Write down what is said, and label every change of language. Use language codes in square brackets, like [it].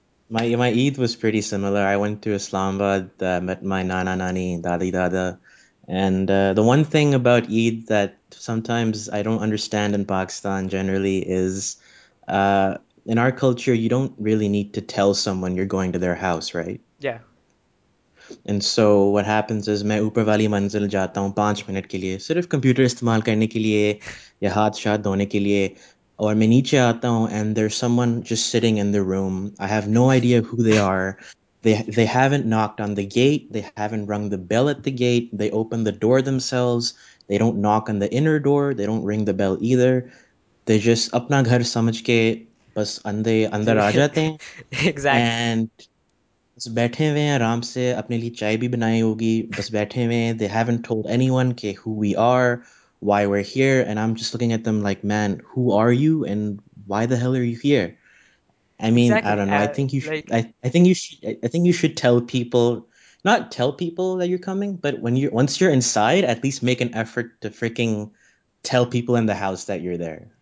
[en] My Eid was pretty similar. I went to Islamabad, met my nana, nani, dadi, dada. And the one thing about Eid that sometimes I don't understand in Pakistan generally is, in our culture, you don't really need to tell someone you're going to their house, right? Yeah. And so what happens is, [ur] میں اوپر والی منزل جاتا ہوں 5 minute کے لیے، صرف computer استعمال کرنے کے لیے یا ہاتھ شاتھ دھونے کے لیے، اور میں نیچے آتا ہوں [en] and there's someone just sitting in the room. I have no idea who they are. They haven't knocked on the gate. They haven't rung the bell at the gate. They open the door themselves. They don't knock on the inner door. They don't ring the bell either. They just [ur] اپنا گھر سمجھ کے بس اندر آ جاتے ہیں۔ [en] Exactly. [ur] And بس بیٹھے ہوئے ہیں آرام سے، اپنے لیے چائے بھی بنائی ہوگی، بس بیٹھے ہوئے ہیں۔ [en] They haven't told anyone ke who we are, why we're here. And I'm just looking at them like, man, who are you and why the hell are you here? I mean, exactly. I don't know. I think you should tell people, not tell people that you're coming, but once you're inside, at least make an effort to freaking tell people in the house that you're there.